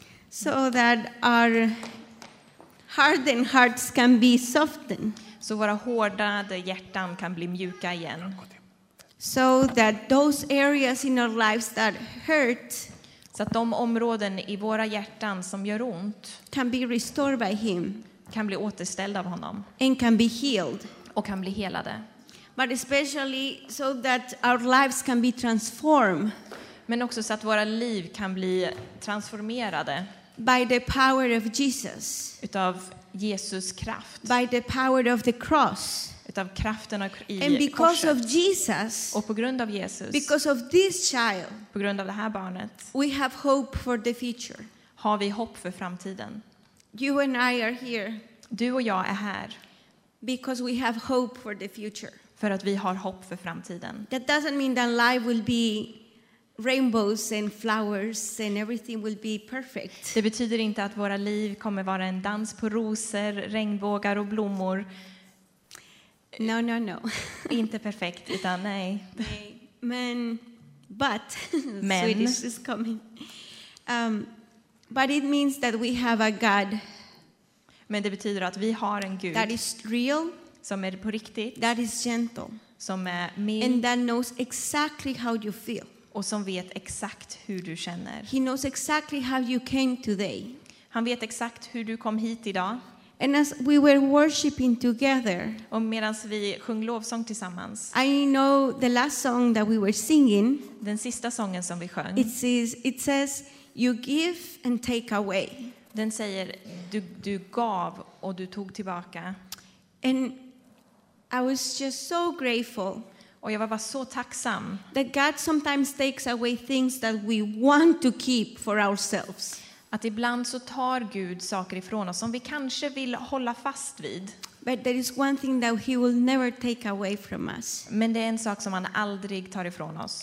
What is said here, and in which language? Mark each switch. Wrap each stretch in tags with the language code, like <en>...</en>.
<en>So that our hardened hearts can be softened.</en> <sv>Så våra hårdade hjärtan kan bli mjuka igen.</sv> <en>So that those areas in our lives that hurt.</en> <sv>Så att de områden i våra hjärtan som gör ont</sv> <en>can be restored by him.</en> <sv>Kan bli återställd av honom.</sv> <en>And can be healed.</en> <sv>Och kan bli helade.</sv> <en>But especially so that our lives can be transformed.</en> <sv>Men också så att våra liv kan bli transformerade.</sv> <en>By the power of Jesus.</en> <sv>Utav Jesus kraft.</sv> <en>By the power of the cross.</en> <sv>Utav kraften av korset.</sv> <en>And because of Jesus.</en> <sv>Och på grund av Jesus.</sv> <en>Because of this child.</en> <sv>På grund av det här barnet.</sv> <en>We have hope for the future.</en> <sv>Har vi hopp för framtiden.</sv> <en>You and I are here.</en> <sv>Du och jag är här.</sv> <en>Because we have hope for the future.</en> <sv>För att vi har hopp för framtiden.</sv> <en>That doesn't mean that life will be rainbows and flowers and everything will be perfect.</en> <sv>Det betyder inte att våra liv kommer vara en dans på rosor, regnbågar och blommor.</sv> <en>No, no, no.</en> <sv>Inte perfekt, utan nej. Men,</sv> <en>but</en> <sv>men.</sv> <en>Swedish is coming. But it means that we have a God.</en> <sv>Men det betyder att vi har en Gud.</sv> <en>That is real.</en> <sv>Som är på riktigt.</sv> <en>That is gentle.</en> <sv>Som är med.</sv> <en>And that knows exactly how you feel.</en> <sv>Och som vet exakt hur du känner.</sv> <en>He knows exactly how you came today.</en> <sv>Han vet exakt hur du kom hit idag.</sv> <en>And as we were worshiping together.</en> <sv>Och medan vi sjöng lovsång tillsammans.</sv> <en>I know the last song that we were singing.</en> <sv>Den sista sången som vi sjöng.</sv> <en>It says you give and take away.</en> <sv>Den säger du gav och du tog tillbaka.</sv> <en>And I was just so grateful.</en> <sv>Och jag var bara så tacksam.</sv> <en>That God sometimes takes away things that we want to keep for ourselves.</en> <sv>Att ibland så tar Gud saker ifrån oss som vi kanske vill hålla fast vid.</sv> <en>But there is one thing that he will never take away from us.</en> <sv>Men det är en sak som han aldrig tar ifrån oss.</sv>